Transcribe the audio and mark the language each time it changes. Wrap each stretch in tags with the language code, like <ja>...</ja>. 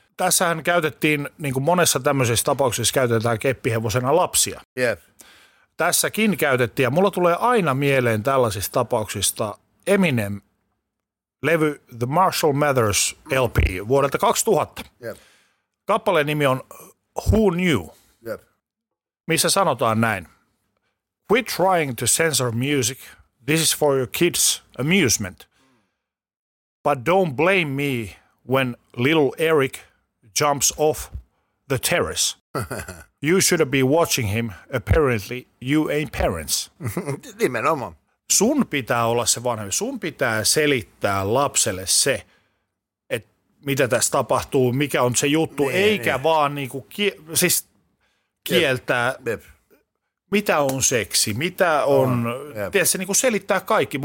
<fi>Tässähän käytettiin, niin kuin monessa tämmöisessä tapauksessa käytetään keppihevosena lapsia. Yep. Tässäkin käytettiin, ja mulla tulee aina mieleen tällaisista tapauksista Eminem levy The Marshall Mathers LP vuodelta 2000. Yep. Kappaleen nimi on Who Knew, yep, missä sanotaan näin.</fi> <en>Quit trying to censor music. This is for your kids' amusement. But don't blame me when little Eric jumps off the terrace. You should be watching him. Apparently you ain't parents.</en> <fi>Nimenomaan. Sun pitää olla se vanhempi. Sun pitää selittää lapselle se, mitä tässä tapahtuu, mikä on se juttu, niin, eikä niin vaan niinku siis kieltää, mitä on seksi, mitä on, tietysti niinku selittää kaikki.</fi>